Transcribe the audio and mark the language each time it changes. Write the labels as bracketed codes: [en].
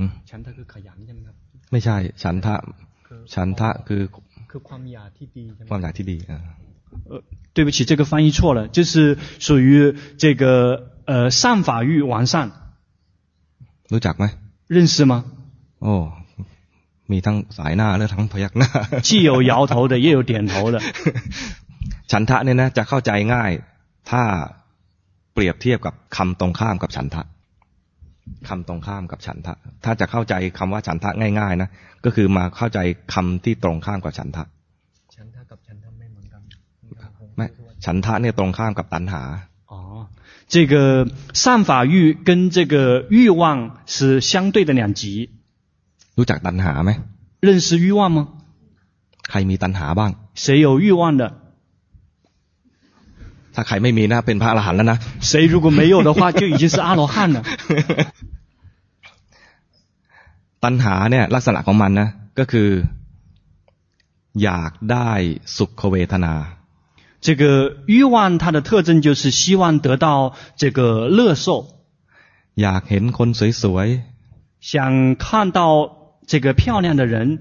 [th] ฉันทะคือขยันใช่ไหมครับ ไม่ใช่ฉันทะฉันทะคือ ความอยากที่ดี ความอยากที่ดี [zh] 对不起这个翻译错了就是属于这个善法欲完善 [th] รู้จักไหม [zh] 认识吗 [th] โอ้มีทั้งสายหน้าและทั้งพยักหน้า [zh] 既有摇头的也有点头的 [th] ฉันทะเนี่ยนะจะเข้าใจง่ายถ้าเปรียบเทียบกับคำตรงข้ามกับฉันทะคำตรงข้ามกับฉันทะถ้าจะเข้าใจคำว่าฉันทะง่ายๆนะก็คือมาเข้าใจคำที่ตรงข้ามกับฉันทะ ฉันทะกับฉันทะไม่เหมือนกัน ไม่ฉันทะเนี่ยตรงข้ามกับตัณหา [zh] อ๋อ这个善法欲跟这个欲望是相对的两极 [th] รู้จักตัณหาไหม [zh] 认识欲望吗 [th] ใครมีตัณหาบ้าง [zh] 谁有欲望的 [th] ถ้าใครไม่มีนะเป็นพระอรหันต์แล้วนะ [zh] 谁如果没有的话就已经是阿罗汉了 [th] ตัณหาเนี่ยลักษณะของมันนะก็คืออยากได้สุขเวทนา [zh] 这个欲望它的特征就是希望得到这个乐受 [th] อยากเห็นคนสวย [zh] ๆ想看到这个漂亮的人